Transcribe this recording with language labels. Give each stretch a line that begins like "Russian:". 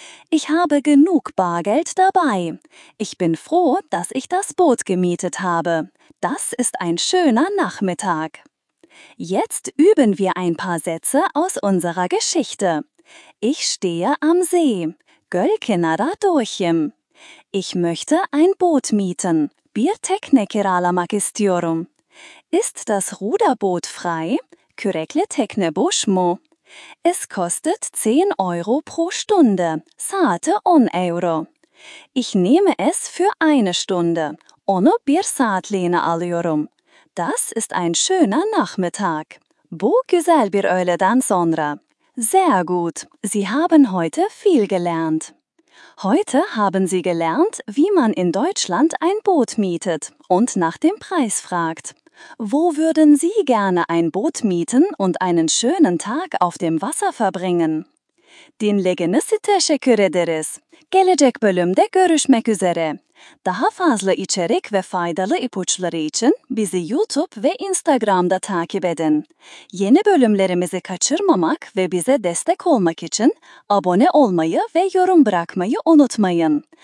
German: Ich habe genug Bargeld dabei. Ich bin froh, dass ich das Boot gemietet habe. Das ist ein schöner Nachmittag. Jetzt üben wir ein paar Sätze aus unserer Geschichte. Ich stehe am See.
Turkish: Gölkenara durchim.
German: Ich möchte ein Boot mieten.
Turkish: Bir tekne kiralamak istiyorum.
German: Ist das Ruderboot frei?
Turkish: Kürekle tekne boşmu?
German: Es kostet 10 Euro pro Stunde.
Turkish: Saate 10 Euro.
German: Ich nehme es für eine Stunde.
Turkish: Onu bir saatliğine alıyorum.
German: Das ist ein schöner Nachmittag.
Turkish: Bu güzel bir öğleden sonra.
German: Sehr gut. Sie haben heute viel gelernt. Heute haben Sie gelernt, wie man in Deutschland ein Boot mietet und nach dem Preis fragt. Wo würden Sie gerne ein Boot mieten und einen schönen Tag auf dem Wasser verbringen?
Turkish: Dinlediğiniz için teşekkür ederiz. Gelecek bölümde görüşmek üzere. Daha fazla içerik ve faydalı ipuçları için bizi YouTube ve Instagram'da takip edin. Yeni bölümlerimizi kaçırmamak ve bize destek olmak için abone olmayı ve yorum bırakmayı unutmayın.